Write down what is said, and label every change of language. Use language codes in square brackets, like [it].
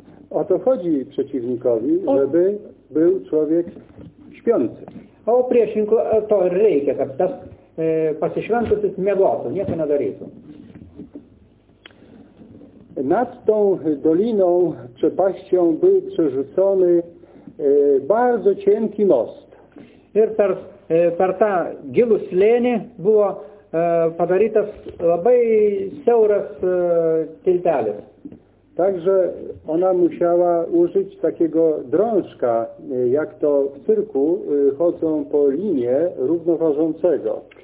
[pl] O to chodzi przeciwnikowi, żeby był człowiek śpiący. [lt] O priešinku to reikia, kad tas pasišventusis miegotų, nieko nedarytų. [pl] Nad tą doliną, przepaścią, był przerzucony bardzo cienki most. [lt] Ir per, per tą gilų slėnį buvo padarytas labai siauras tiltelis. [pl] Także ona musiała użyć takiego drążka, jak to w cyrku chodzą po linie równoważącego.